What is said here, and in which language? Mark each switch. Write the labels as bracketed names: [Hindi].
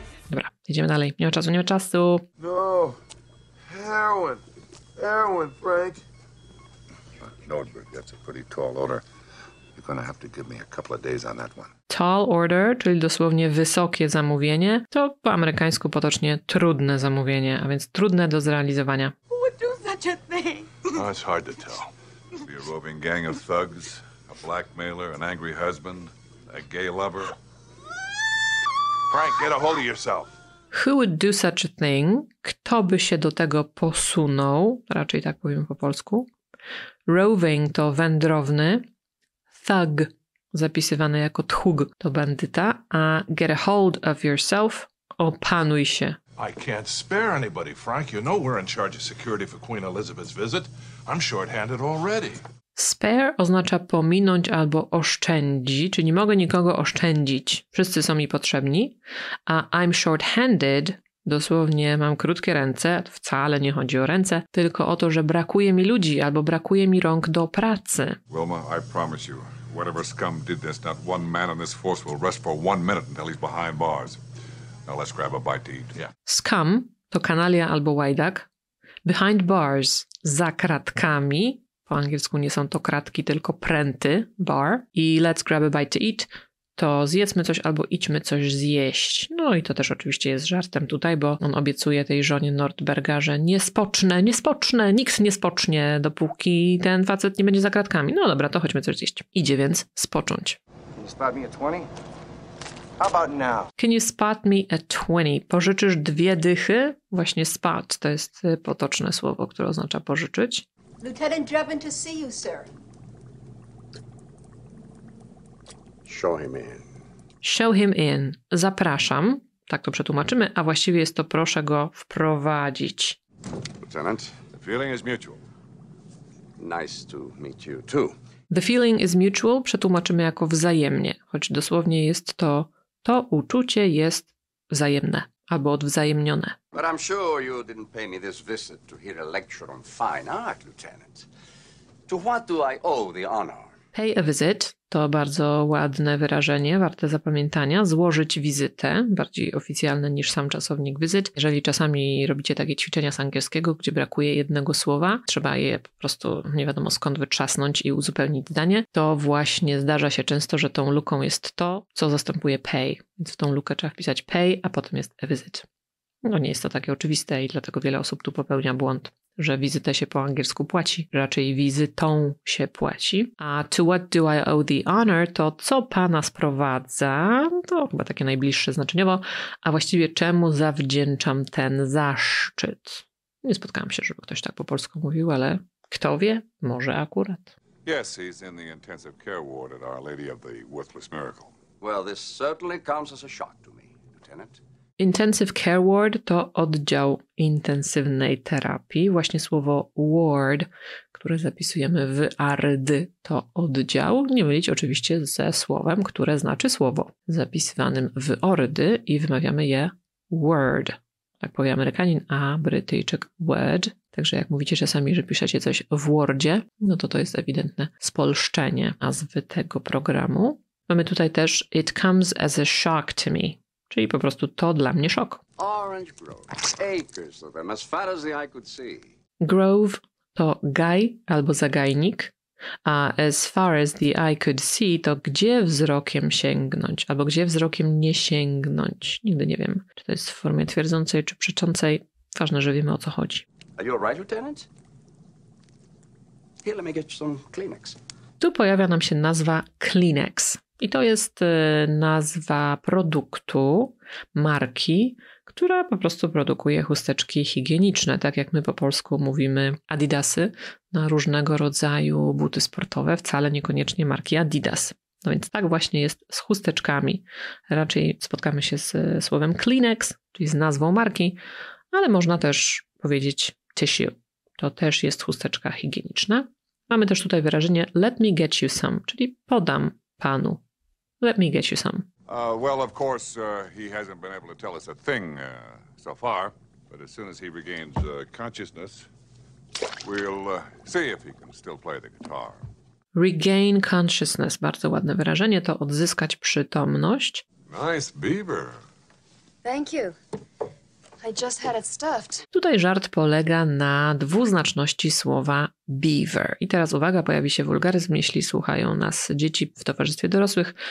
[Polish] Dobra, idziemy dalej. Nie ma czasu, nie ma czasu. [English] No, heroin. Heroin, Frank. Nordberg, that's a pretty tall order. You're gonna have to give me a couple of days on that one. Tall order, [Polish] czyli dosłownie wysokie zamówienie, to po amerykańsku potocznie trudne zamówienie, a więc trudne do zrealizowania. [English] Who would do such a thing? Oh, it's hard to tell. Be a roving gang of thugs, a blackmailer, an angry husband, a gay lover. Frank, get a hold of yourself. Who would do such a thing? [Polish] Kto by się do tego posunął? Raczej tak powiem po polsku. Roving to wędrowny. Thug, zapisywany jako tchóg, to bandyta. [English] A get a hold of yourself, [Polish] opanuj się. [English] I can't spare anybody, Frank. You know we're in charge of security for Queen Elizabeth's visit. I'm short-handed already. [Polish] Spare oznacza pominąć albo oszczędzić, czyli nie mogę nikogo oszczędzić. Wszyscy są mi potrzebni. A [English] I'm short-handed, [Polish] dosłownie mam krótkie ręce, wcale nie chodzi o ręce, tylko o to, że brakuje mi ludzi albo brakuje mi rąk do pracy. [English] Wilma, I promise you, whatever scum did this, not one man on this force will rest for one minute until he's behind bars. Now let's grab a bite to eat. Yeah. [Polish] Scum to kanalia albo łajdak. [English] Behind bars, [Polish] za kratkami. Po angielsku nie są to kratki, tylko pręty, bar. [English] I let's grab a bite to eat, [Polish] to zjedzmy coś albo idźmy coś zjeść. No i to też oczywiście jest żartem tutaj, bo on obiecuje tej żonie Nordberga, że nie spocznę, nikt nie spocznie, dopóki ten facet nie będzie za kratkami. No dobra, to chodźmy coś zjeść. Idzie więc spocząć. [English] Can you spot me a 20? [Polish] Pożyczysz dwie dychy? Właśnie spot, to jest potoczne słowo, które oznacza pożyczyć. [English] Lieutenant Drebin to see you, sir. Show him in. Show him in. [Polish] Zapraszam. Tak to przetłumaczymy, a właściwie jest to proszę go wprowadzić. [English] Lieutenant, the feeling is mutual. Nice to meet you too. The feeling is mutual [Polish] przetłumaczymy jako wzajemnie, choć dosłownie jest to, to uczucie jest wzajemne albo odwzajemnione. [English] But I'm sure you didn't pay me this visit to hear a lecture on fine art, Lieutenant. To what do I owe the honor? Pay a visit [Polish] to bardzo ładne wyrażenie, warte zapamiętania. Złożyć wizytę, bardziej oficjalne niż sam czasownik visit. Jeżeli czasami robicie takie ćwiczenia z angielskiego, gdzie brakuje jednego słowa, trzeba je po prostu nie wiadomo skąd wytrzasnąć i uzupełnić zdanie, to właśnie zdarza się często, że tą luką jest to, co zastępuje pay. Więc w tą lukę trzeba wpisać pay, a potem jest [English] a visit. [Polish] No nie jest to takie oczywiste i dlatego wiele osób tu popełnia błąd, że wizytę się po angielsku płaci. Raczej wizytą się płaci. A [English] to what do I owe the honor [Polish] to co pana sprowadza? To chyba takie najbliższe znaczeniowo. A właściwie czemu zawdzięczam ten zaszczyt? Nie spotkałam się, żeby ktoś tak po polsku mówił, ale kto wie, może akurat. [English] Yes, he's in the intensive care ward at Our Lady of the Worthless Miracle. Well, this certainly comes as a shock to me, Lieutenant. Intensive care ward [Polish] to oddział intensywnej terapii. Właśnie słowo ward, które zapisujemy w ard, to oddział. Nie mylić oczywiście ze słowem, które znaczy słowo, zapisywanym w ord i wymawiamy je word. Tak powie Amerykanin, a Brytyjczyk word. Także jak mówicie czasami, że piszecie coś w wordzie, no to to jest ewidentne spolszczenie nazwy tego programu. Mamy tutaj też [English] it comes as a shock to me. [Polish] Czyli po prostu to dla mnie szok. [English] Orange Grove, acres of them, as far as the eye could see. [Polish] Grove to gaj albo zagajnik, a [English] as far as the eye could see [Polish] to gdzie wzrokiem sięgnąć, albo gdzie wzrokiem nie sięgnąć. Nigdy nie wiem, czy to jest w formie twierdzącej czy przeczącej. Ważne, że wiemy o co chodzi. [English] Are you all right, Lieutenant? Here, let me get you some Kleenex. [Polish] Tu pojawia nam się nazwa Kleenex. I to jest nazwa produktu, marki, która po prostu produkuje chusteczki higieniczne, tak jak my po polsku mówimy Adidasy na różnego rodzaju buty sportowe, wcale niekoniecznie marki Adidas. No więc tak właśnie jest z chusteczkami. Raczej spotkamy się z słowem Kleenex, czyli z nazwą marki, ale można też powiedzieć [English] tissue. [Polish] To też jest chusteczka higieniczna. Mamy też tutaj wyrażenie [English] let me get you some, [Polish] czyli podam panu. [English] Let me get you some. Well, of course, he hasn't been able to tell us a thing so far, but as soon as he regains consciousness, we'll see if he can still play the guitar. Regain consciousness, [Polish] bardzo ładne wyrażenie, to odzyskać przytomność. [English] Nice beaver. Thank you. I just had it stuffed. [Polish] Tutaj żart polega na dwuznaczności słowa beaver. I teraz uwaga, pojawi się wulgaryzm, jeśli słuchają nas dzieci w towarzystwie dorosłych.